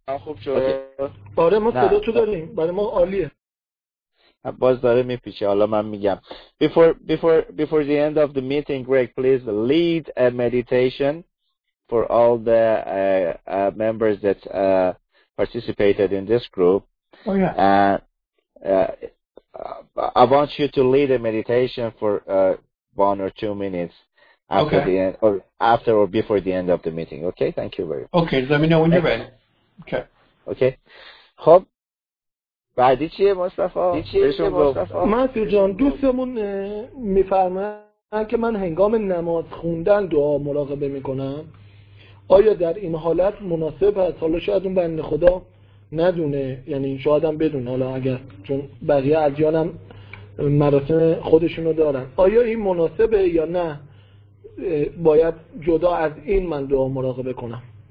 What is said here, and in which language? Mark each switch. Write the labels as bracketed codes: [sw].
[fa] الان خوب شد؟ آره ما صدا تو داریم برای ما عالیه باز داره میپیچه حالا من میگم [en] before the end of the meeting Greg please lead a meditation for all the members that participated in this group I want you to lead a meditation for one or two minutes after the end or after or before the end of the meeting okay thank you very much okay let me know when you're ready okay [fa] خب بعدی چیه مصطفی من تو جان دوستمون میفرماید که من هنگام نماز خوندن دعا مراقبه میکنم آیا در این حالت مناسب هست حالا شاید اون بنده خدا ندونه یعنی شاید هم بدونه حالا اگر چون بقیه ادیان هم مراسم خودشونو دارن آیا این مناسبه یا نه باید جدا از این من دعا مراقبه کنم